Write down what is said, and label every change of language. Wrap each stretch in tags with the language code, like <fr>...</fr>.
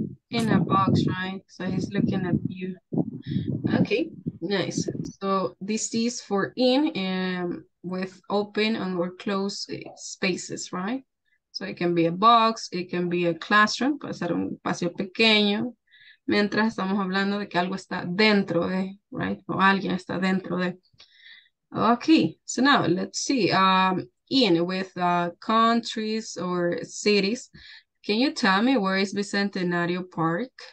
<en>In a box, right? So he's looking at you. Okay, nice. So this is for in with open and or closed spaces, right? So it can be a box, it can be a classroom,</en> <es>puede ser un espacio pequeño, mientras estamos hablando de que algo está dentro de, right? O alguien está dentro de.</es> <en>Okay, so now let's see. Ian, with countries or cities, can you tell me where is Bicentenario Park?</en>